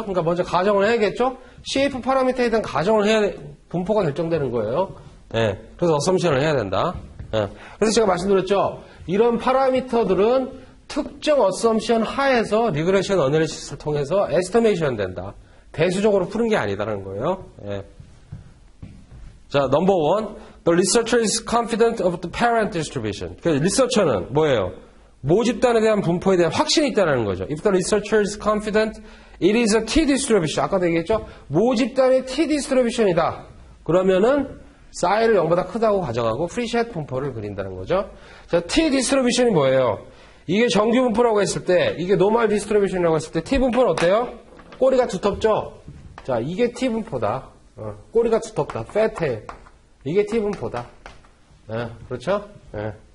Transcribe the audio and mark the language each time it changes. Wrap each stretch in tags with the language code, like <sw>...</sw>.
<ko>그러니까 먼저 가정을 해야겠죠? shape 파라미터에 대한 가정을 해야 분포가 결정되는 거예요. 예. 그래서 assumption을 해야 된다. 예. 그래서 제가 말씀드렸죠. 이런 파라미터들은 특정 어썸션 하에서 리그레션 어널리시스를 통해서 에스티메이션 된다. 대수적으로 푸는 게 아니다라는 거예요. 예. 자, 넘버 원.</ko> <en>The researcher is confident of the parent distribution.</en> <ko>그러니까 리서처는 뭐예요? 모집단에 대한 분포에 대한 확신이 있다는 거죠.</ko> <en>If the researcher is confident, it is a T distribution.</en> <ko>아까도 얘기했죠? 모집단의 T distribution이다. 그러면은 싸이를 0보다 크다고 가정하고 프리셋 분포를 그린다는 거죠. 자, T distribution이 뭐예요? 이게 정규분포라고 했을 때, 이게 노멀 디스트리뷰션이라고 했을 때, T분포는 어때요? 꼬리가 두텁죠? 자, 이게 T분포다. 어, 꼬리가 두텁다. 패트해. 이게 T분포다. 예, 그렇죠? 예.</ko>